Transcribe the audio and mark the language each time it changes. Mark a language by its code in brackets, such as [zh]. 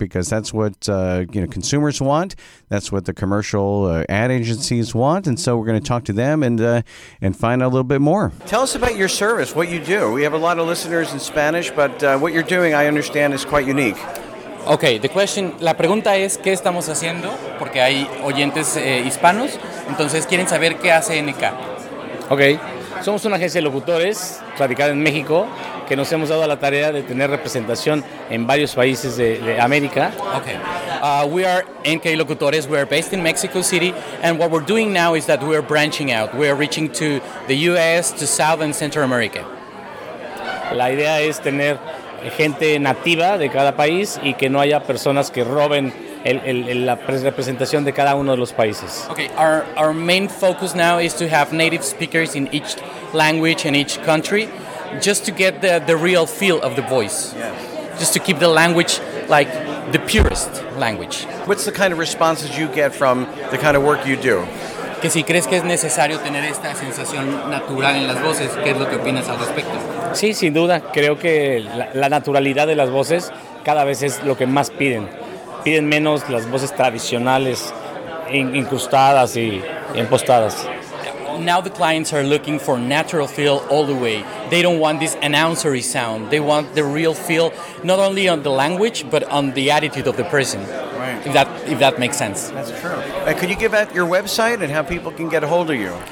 [en] Because that's what you know, consumers want. That's what the commercial ad agencies want. And so we're going to talk to them and find out a little bit more. Tell us about your service, what you do. We have a lot of listeners in Spanish, but what you're doing, I understand, is quite unique. Okay, the question, [es] la pregunta es, ¿qué estamos haciendo? Porque hay oyentes hispanos, entonces quieren saber qué hace NK. [en] Okay. [es] Somos una agencia de locutores radicada en México que nos hemos dado la tarea de tener representación en varios países de América. [en] Okay. We are NK Locutores. We are based in Mexico City, and what we're doing now is that we are branching out. We are reaching to the U.S., to South and Central America. [es] La idea es tener gente nativa de cada país y que no haya personas que roben la representación de cada uno de los países. [en] Okay, our main focus now is to have native speakers in each language and each country, just to get the real feel of the voice. Yes. Just to keep the language like the purest language. What's the kind of responses you get from the kind of work you do? [es] Que si crees que es necesario tener esta sensación natural en las voces, ¿qué es lo que opinas al respecto? Sí, sin duda. Creo que la naturalidad de las voces cada vez es lo que más piden. Piden menos las voces tradicionales incrustadas y impostadas. [en] Now the clients are looking for natural feel all the way. They don't want this announcery sound. They want the real feel, not only on the language, but on the attitude of the person. Right. If that makes sense. That's true. Could you give out your website and how people can get a hold of you?